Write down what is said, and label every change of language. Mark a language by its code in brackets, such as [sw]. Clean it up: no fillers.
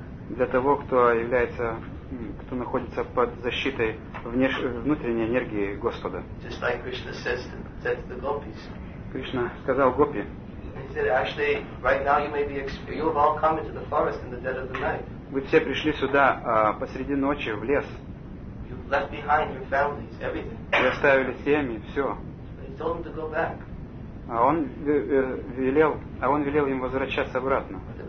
[ru] Для того, кто находится под защитой внутренней энергии Господа. [en] Just like Krishna said to the gopis. [ru] Кришна сказал гопи. [en] He said, actually, right now you have all come into the forest in the dead of the night. [ru] Вы все пришли сюда посреди ночи в лес. [en] You left behind your families, everything. [ru] Вы оставили семьи, все. [en] He told them to go back. [ru] А он велел им возвращаться обратно.